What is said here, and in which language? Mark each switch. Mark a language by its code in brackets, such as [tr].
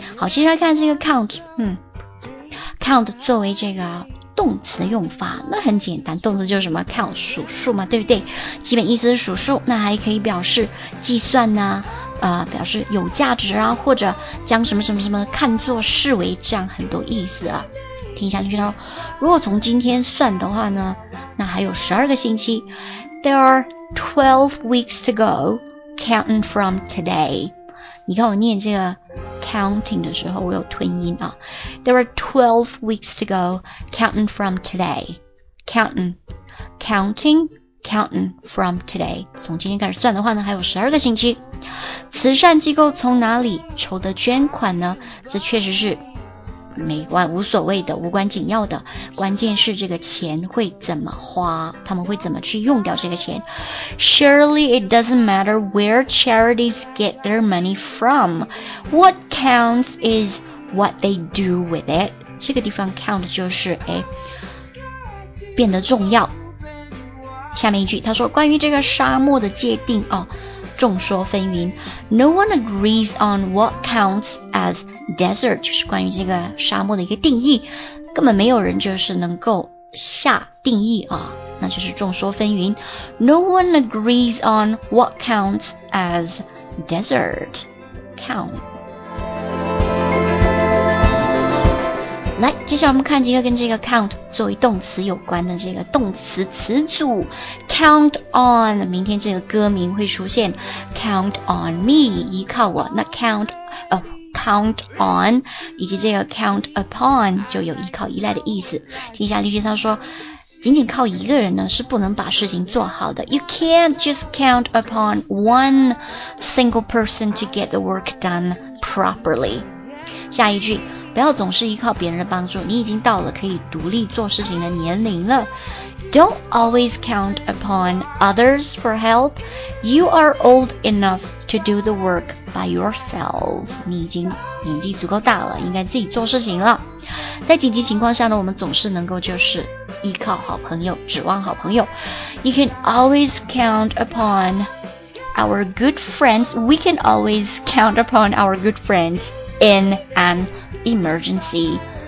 [zh] 好，接下来看这个 count， count 作为这个动词的用法，那很简单，动词就是什么 count 数数嘛，对不对？基本意思是数数，那还可以表示计算呢，表示有价值啊，或者将什么什么什么看作视为，这样很多意思啊。听下去哦。如果从今天算的话呢，那还有12个星期。 [en] There are 12 weeks to go, counting from today. [zh] 你看我念这个 counting 的时候，我有吞音啊。 [en] There are 12 weeks to go, counting from today. Counting from today. [zh] 从今天开始算的话呢，还有12个星期。慈善机构从哪里筹的捐款呢？这确实是没关无所谓的，无关紧要的，关键是这个钱会怎么花，他们会怎么去用掉这个钱。 [en] Surely it doesn't matter where charities get their money from. What counts is what they do with it. [zh] 这个地方 count 就是变得重要。下面一句他说关于这个沙漠的界定啊，众说纷纭。 [en] No one agrees on what counts as desert， [zh] 就是关于这个沙漠的一个定义，根本没有人就是能够下定义啊，那就是众说纷纭。 [en] No one agrees on what counts as desert count。 [zh] 来，接下来我们看几个跟这个 count 作为动词有关的这个动词词组。 count on， 明天这个歌名会出现， [en] count on me， [zh] 依靠我。那 count on 以及这个 count upon 就有依靠依赖的意思。听一下例句，他说仅仅靠一个人呢是不能把事情做好的。 [en] You can't just count upon one single person to get the work done properly. [zh] 下一句，不要总是依靠别人的帮助，你已经到了可以独立做事情的年龄了。 [en] Don't always count upon others for help. You are old enough to do the work by yourself. [zh] 你已经年纪足够大了，应该自己做事情了。在紧急情况下呢，我们总是能够就是依靠好朋友，指望好朋友。 [en] You can always count upon our good friends. We can always count upon our good friends in anEmergency.